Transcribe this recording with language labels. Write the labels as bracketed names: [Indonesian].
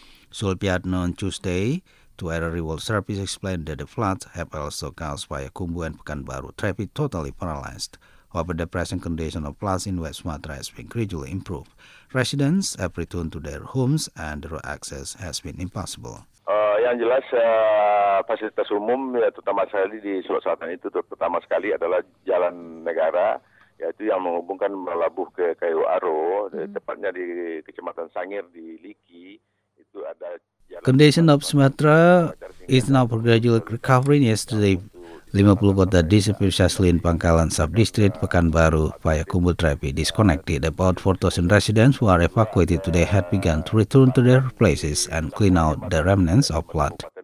[English] Sulpiatno on Tuesday, to Erari World Service explained that the floods have also caused Payakumbuh and Pekanbaru traffic totally paralyzed. However, the present condition of floods in West Sumatra has been gradually improved. Residents have returned to their homes and the road access has been impossible. [Indonesian] Yang jelas, fasilitas umum, ya, terutama sekali di Sulawesi Selatan itu, terutama sekali adalah jalan negara, yaitu yang menghubungkan Melabuh ke Kayu Aro, tepatnya di Kecamatan Sangir di Liki, itu ada. [English] Condition of Sumatra is now gradually recovering. Yesterday, 50 kota disappeared, especially in Pangkalan sub-district, Pekanbaru, Payakumbuh traffic disconnected. About 4,000 residents who are evacuated today had begun to return to their places and clean out the remnants of flood.